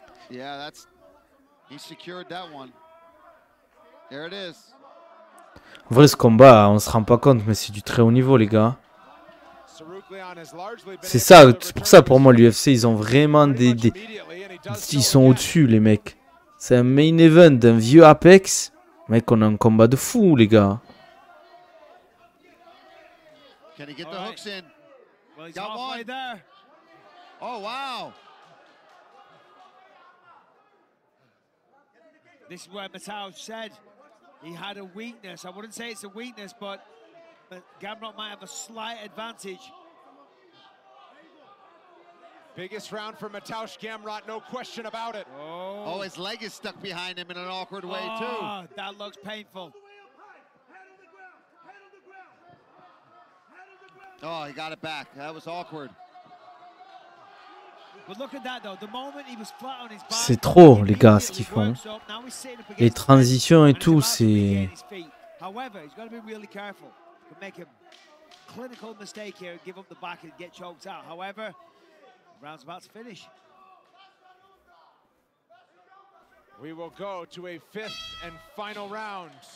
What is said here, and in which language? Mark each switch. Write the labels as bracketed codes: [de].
[en] Yeah, that's he secured that one. There it is. [fr] En vrai, ce combat, on se rend pas compte, mais c'est du très haut niveau, les gars. C'est ça, c'est pour ça pour moi l'UFC, ils ont vraiment des ils sont au-dessus les mecs. C'est un main event d'un vieux Apex. Mec, on a un combat de fou les gars. [en] Can he get the hooks in? Well, he's got one there. Oh wow. This is where Mattel said he had a weakness. I wouldn't say it's a weakness, but Gamrot might have a slight advantage. Biggest round for Matosh Gamrot, no question about it. Oh. Oh, his leg is stuck behind him in an awkward way, too. That looks painful. Oh, he got it back. That was awkward. But look at that, though. The moment he was flat on his back. [fr] C'est trop, les gars, ce qu'ils font. Les transitions et tout, c'est... [en] However, he's got to be really careful. Could make a clinical mistake here and give up the back and get choked out. However... Round's about to finish. We will go to a fifth and final round.